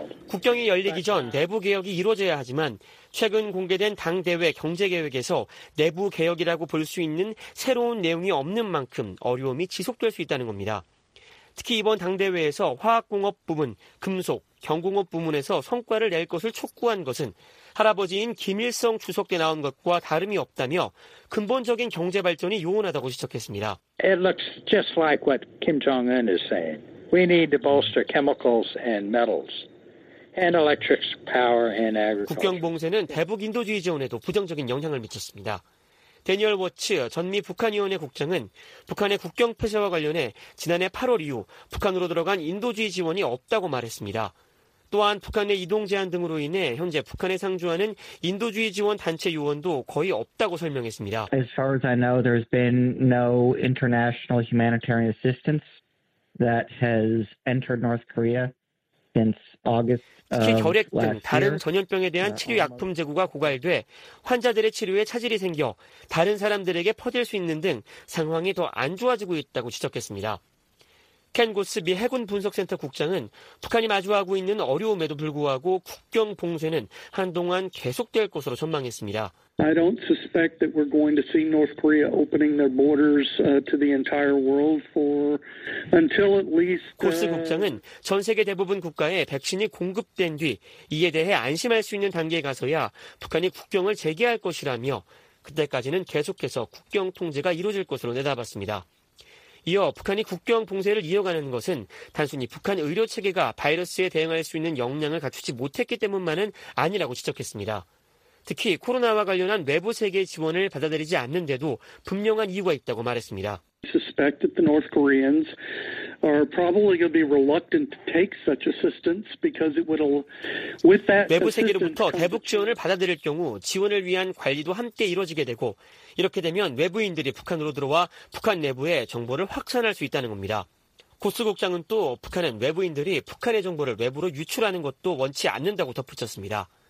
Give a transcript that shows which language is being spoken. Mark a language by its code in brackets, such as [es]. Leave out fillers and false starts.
[ko] 국경이 열리기 전 내부 개혁이 이루어져야 하지만 최근 공개된 당대회 경제계획에서 내부 개혁이라고 볼 수 있는 새로운 내용이 없는 만큼 어려움이 지속될 수 있다는 겁니다. 특히 이번 당대회에서 화학공업 부문, 금속, 경공업 부문에서 성과를 낼 것을 촉구한 것은 할아버지인 김일성 주석 때 나온 것과 다름이 없다며 근본적인 경제 발전이 요원하다고 지적했습니다. [en] It looks just like what Kim Jong-un is saying. We need to bolster chemicals and metals and electric power and agriculture. [ko] 국경 봉쇄는 대북 인도주의 지원에도 부정적인 영향을 미쳤습니다. 대니얼 워츠 전미 북한위원회 국장은 북한의 국경 폐쇄와 관련해 지난해 8월 이후 북한으로 들어간 인도주의 지원이 없다고 말했습니다. 또한 북한의 이동 제한 등으로 인해 현재 북한에 상주하는 인도주의 지원 단체 요원도 거의 없다고 설명했습니다. [en] As far as I know, there's been no international humanitarian assistance that has entered North Korea since August. [ko] 특히 결핵 등 다른 전염병에 대한 치료 약품 재고가 고갈돼 환자들의 치료에 차질이 생겨 다른 사람들에게 퍼질 수 있는 등 상황이 더 안 좋아지고 있다고 지적했습니다. 켄 고스 미 해군 분석센터 국장은 북한이 마주하고 있는 어려움에도 불구하고 국경 봉쇄는 한동안 계속될 것으로 전망했습니다. [en] I don't suspect that we're going to see North Korea opening their borders to the entire world for until at least. [ko] 코스 국장은 전 세계 대부분 국가에 백신이 공급된 뒤 이에 대해 안심할 수 있는 단계에 가서야 북한이 국경을 재개할 것이라며 그때까지는 계속해서 국경 통제가 이루어질 것으로 내다봤습니다. 이어 북한이 국경 봉쇄를 이어가는 것은 단순히 북한 의료 체계가 바이러스에 대응할 수 있는 역량을 갖추지 못했기 때문만은 아니라고 지적했습니다. 특히 코로나와 관련한 외부 세계 지원을 받아들이지 않는데도 분명한 이유가 있다고 말했습니다. [en] I suspect that the North Koreans are probably going to be reluctant to take such assistance because it would with that [ko] 외부 세계로부터 대북 지원을 받아들일 경우 지원을 위한 관리도 함께 이루어지게 되고 이렇게 되면 외부인들이 북한으로 들어와 북한 내부에 정보를 확산할 수 있다는 겁니다. 코스 국장은 또 북한은 외부인들이 북한의 정보를 외부로 유출하는 것도 원치 않는다고 덧붙였습니다.